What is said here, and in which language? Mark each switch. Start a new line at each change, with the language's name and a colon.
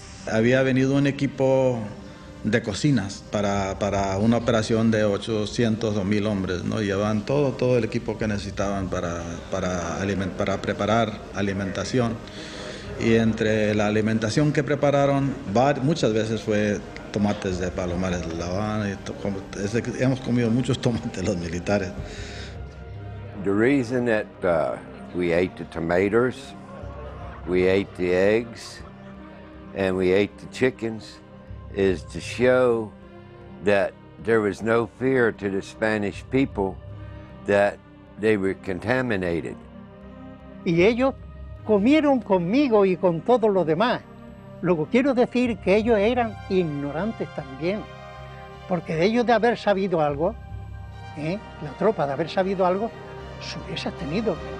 Spanish: Había venido un equipo de cocinas para una operación de 800 o 1000 hombres, ¿no? Llevaban todo el equipo que necesitaban para preparar alimentación. Y entre la alimentación que prepararon, muchas veces fue tomates de Palomares, La Habana. Hemos comido muchos tomates los militares.
English: The reason that we ate the tomatoes, we ate the eggs, and we ate the chickens is to show that there was no fear to the Spanish people that they were contaminated.
Spanish: ¿Y ellos? Comieron conmigo y con todos los demás. Luego quiero decir que ellos eran ignorantes también, porque de ellos de haber sabido algo, la tropa de haber sabido algo, se hubiese abstenido.